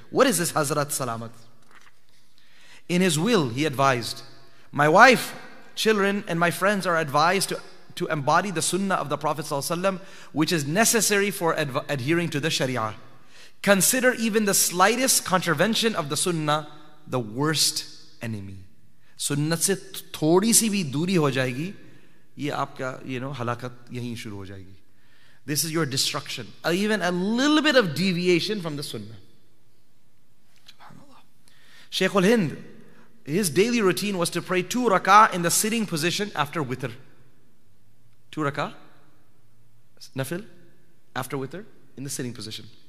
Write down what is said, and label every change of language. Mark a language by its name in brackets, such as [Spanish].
[English] What is this Hazrat salamat? In his will, he advised, my wife, children, and my friends are advised to embody the sunnah of the Prophet ﷺ, which is necessary for adhering to the sharia. Consider even the slightest contravention of the sunnah the worst enemy. [Urdu] سنت سے تھوڑی سی بھی دوری ہو جائے گی، یہ آپ کا، [English] you know، [Urdu] ہلاکت یہیں شروع ہو جائے گی۔ [English] This is your destruction. Even a little bit of deviation from the sunnah. SubhanAllah. Shaykh al-Hind, his daily routine was to pray 2 rak'ah in the sitting position after witr. 2 rak'ah, nafil, after witr, in the sitting position.